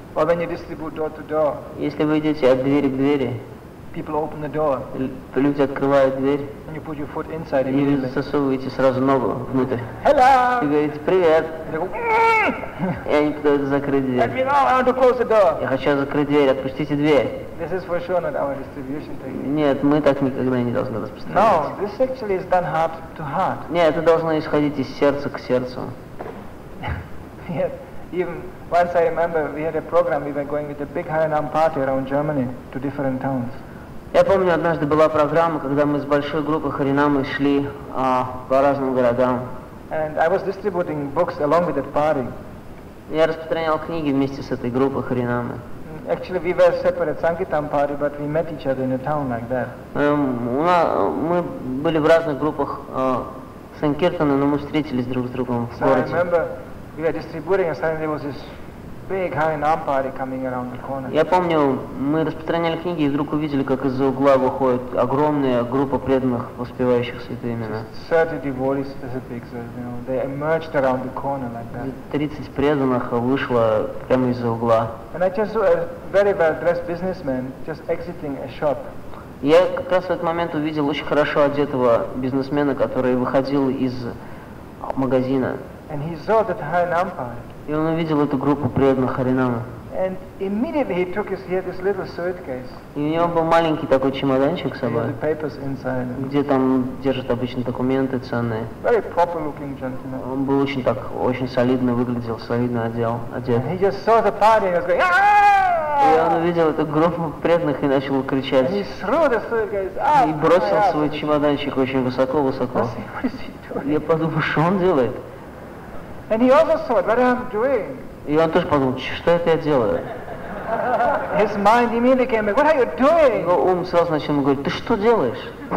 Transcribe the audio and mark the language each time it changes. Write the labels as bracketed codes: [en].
[en] Or when you distribute door to door. [ru] Если вы идете от двери к двери. [en] People open the door. [ru] Люди открывают дверь. [en] And you put your foot inside immediately. [ru] И вы засовываете сразу ногу внутрь. [en] Hello. [ru] И говорите: привет. [en] And they go, [ru] И они пытаются закрыть дверь. [en] Let me know. I want to close the door. [ru] Я хочу закрыть дверь. Отпустите дверь. [en] This is for sure not our distribution technique. [ru] Нет, мы так никогда не должны распространять. [en] No, this actually is done heart to heart. [ru] Нет, это должно исходить из сердца к сердцу. [en] Yet, even. Once I remember, we had a program. We were going with a big Harinam party around Germany to different towns. [ru] Я помню, однажды была программа, когда мы с большой группой Харинамы шли по разным городам. [en] And I was distributing books along with that party. [ru] Я распространял книги вместе с этой группой Харинамы. [en] Actually, we were separate Sankirtan party, but we met each other in a town like that. [ru] Мы были в разных группах Санкиртана, но мы встретились друг с другом в городе. [en] So I remember. We were distributing, and suddenly there was this big Harinam party coming around the corner. [ru] Я помню, мы распространяли книги и вдруг увидели, как из-за угла выходит огромная группа преданных, воспевающих святые имена. [en] 30 devotees is a big, you know, they emerged around the corner like that. [ru] 30 преданных вышло прямо из-за угла. [en] And I just saw a very well dressed businessman just exiting a shop. [ru] Я как раз в этот момент увидел очень хорошо одетого бизнесмена, который выходил из магазина. [en] And he saw that Harinampa. [ru] И он увидел эту группу преданных Харинама. [en] And immediately he took his, he had this little suitcase. [ru] И у него был маленький такой чемоданчик с собой. [en] The papers inside. [ru] Где там держат обычно документы ценные. [en] Very proper looking gentleman. [ru] Он был очень так, очень солидно выглядел, солидно одел, одет. [en] And he just saw the party and was going, ah! [ru] И он увидел эту группу преданных и начал кричать. И бросил свой чемоданчик очень высоко-высоко. Я подумал, что он делает? И он тоже подумал, что это я делаю? Его ум сразу начал говорить, ты что делаешь?